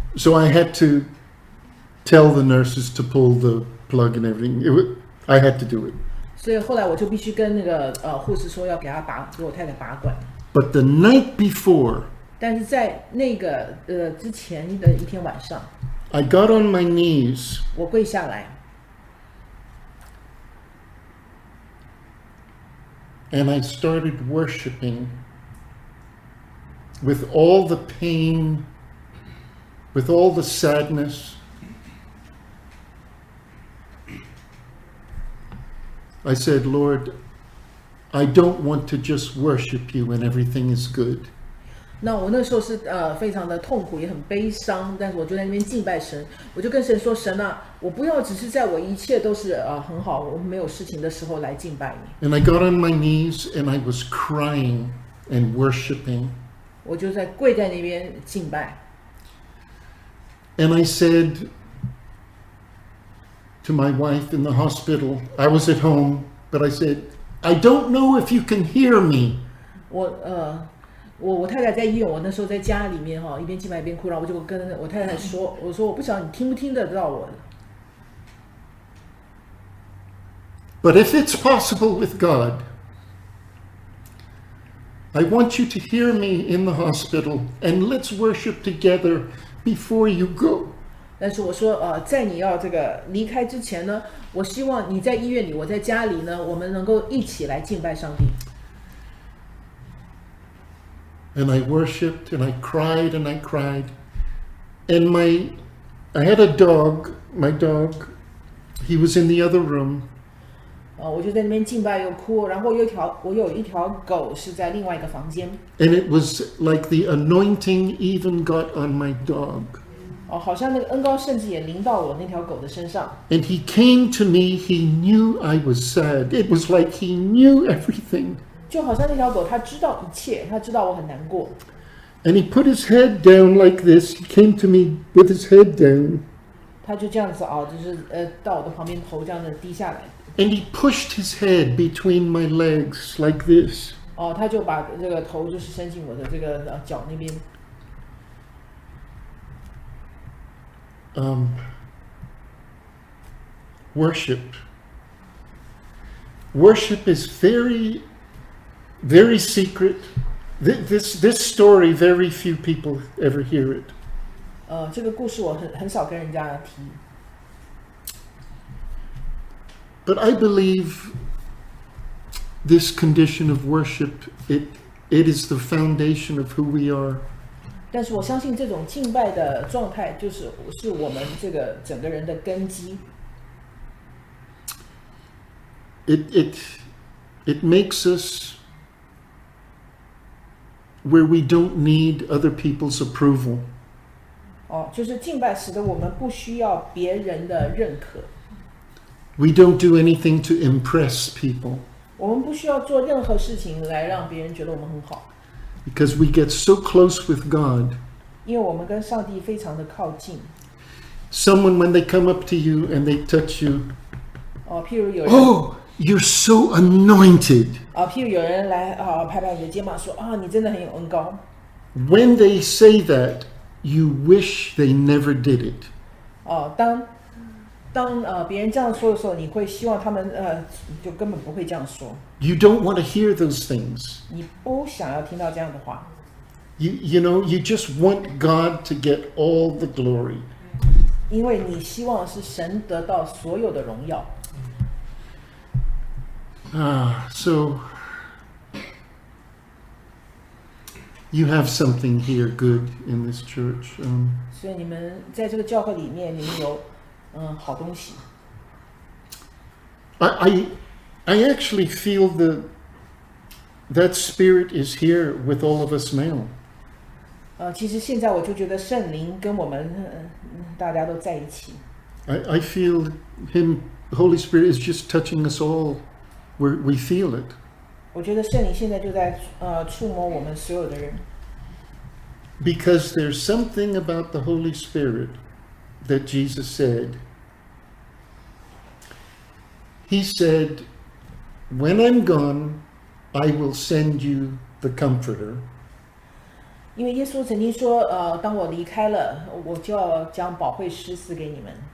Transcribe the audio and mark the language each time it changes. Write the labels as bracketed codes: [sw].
[en] So I had to tell the nurses to pull the plug and everything. I had to do it. [zh] 所以后来我就必须跟那个护士说要给他拔，给我太太拔管。 [en] But the night before, [zh] 但是在那个之前的一天晚上 [en] ，I got on my knees. [zh] 我跪下来。 [en] And I started worshiping with all the pain, with all the sadness. I said, Lord, I don't want to just worship you when everything is good. [zh] 那我那时候是非常的痛苦，也很悲伤，但是我就在那边敬拜神。我就跟神说，神啊，我不要只是在我一切都是很好，我没有事情的时候来敬拜你。 [en] And I got on my knees and I was crying and worshiping. [zh] 我就在跪在那边敬拜。 [en] And I said to my wife in the hospital, I was at home, but I said, I don't know if you can hear me. [zh] 我太太在医院，我那时候在家里面一边敬拜一边哭，然后我就跟我太太说，我说我不晓得你听不听得到我。 [en] But if it's possible with God, I want you to hear me in the hospital and let's worship together before you go. [zh] 但是我说在你要这个离开之前呢，我希望你在医院里，我在家里呢，我们能够一起来敬拜上帝。 [en] And I worshipped, and I cried, and I cried. And I had a dog, my dog, he was in the other room. [zh] 我就在那边敬拜又哭，然后我有一条狗是在另外一个房间。 [en] And it was like the anointing even got on my dog. [zh] 好像那个恩膏甚至也淋到我那条狗的身上。 [en] And he came to me, he knew I was sad. It was like he knew everything. [zh] 就好像那条狗，它知道一切，它知道我很难过。 [en] And he put his head down like this. He came to me with his head down. [zh] 他就这样子就是到我的旁边，头这样子低下来。 [en] And he pushed his head between my legs like this. [zh] 他就把这个头就是伸进我的这个脚那边。 [en] Worship. Worship is very. Very secret. This story, very few people ever hear it. [zh] 这个故事我很少跟人家提。 [en] But I believe this condition of worship, it is the foundation of who we are. [zh] 但是我相信这种敬拜的状态就是我们这个整个人的根基。 [en] It makes us... where we don't need other people's approval. [zh] 就是敬拜使得我们不需要别人的认可。 [en] We don't do anything to impress people. [zh] 我们不需要做任何事情来让别人觉得我们很好。 [en] Because we get so close with God. [zh] 因为我们跟上帝非常的靠近。 [en] Someone when they come up to you and they touch you. [zh] 譬如有人。 [en] Oh! You're so anointed. [zh] 譬如有人来拍拍你的肩膀说你真的很有恩膏。 [en] When they say that, you wish they never did it. [zh] 当别人这样说的时候，你会希望他们就根本不会这样说。 [en] You don't want to hear those things. [zh] 你不想要听到这样的话。 [en] You know, you just want God to get all the glory. [zh] 因为你希望是神得到所有的荣耀。 [en] So you have something here good in this church. [zh] 所以你们在这个教会里面，你们有好东西。 [en] I actually feel the That spirit is here with all of us now. [zh] 其实现在我就觉得圣灵跟我们大家都在一起。 [en] I feel him, Holy Spirit is just touching us all. We feel it. [zh] 我觉得圣灵现在就在触摸我们所有的人。 [en] Because there's something about the Holy Spirit that Jesus said. He said, when I'm gone, I will send you the Comforter. [zh] 因为耶稣曾经说当我离开了我就要将宝惠师赐给你们。